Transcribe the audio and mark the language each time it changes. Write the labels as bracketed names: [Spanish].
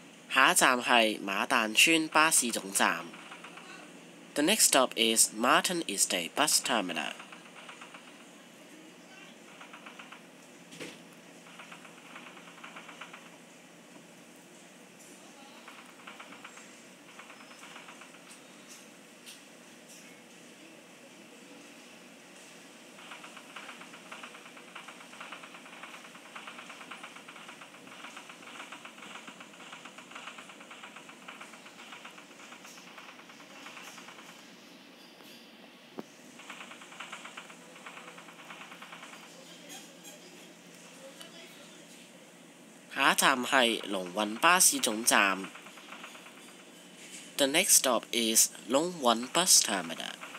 [Chinese] 下一站是马旦村巴士总站。 [English] The next stop is Martin Estate Bus Terminal. [Chinese] 下一站是龙运巴士总站。 [English] The next stop is Long Wan Bus Terminal.